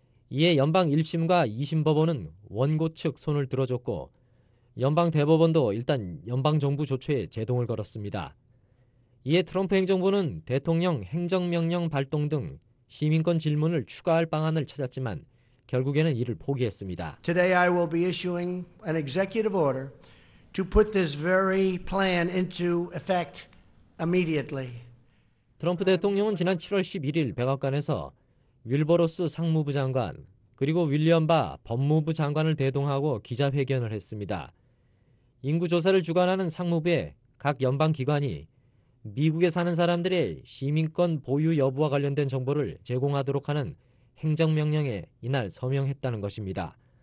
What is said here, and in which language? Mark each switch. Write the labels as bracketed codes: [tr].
[ko] 이에 연방 1심과 2심 법원은 원고 측 손을 들어줬고 연방 대법원도 일단 연방정부 조처에 제동을 걸었습니다. 이에 트럼프 행정부는 대통령 행정명령 발동 등 시민권 질문을 추가할 방안을 찾았지만 결국에는 이를 포기했습니다. [en] Today I will be issuing an executive order to put this very plan into effect immediately. [ko] 트럼프 대통령은 지난 7월 11일 백악관에서 윌버로스 상무부 장관 그리고 윌리엄 바 법무부 장관을 대동하고 기자회견을 했습니다. 인구 조사를 주관하는 상무부에 각 연방 기관이 미국에 사는 사람들의 시민권 보유 여부와 관련된 정보를 제공하도록 하는 행정명령에 이날 서명했다는 것입니다.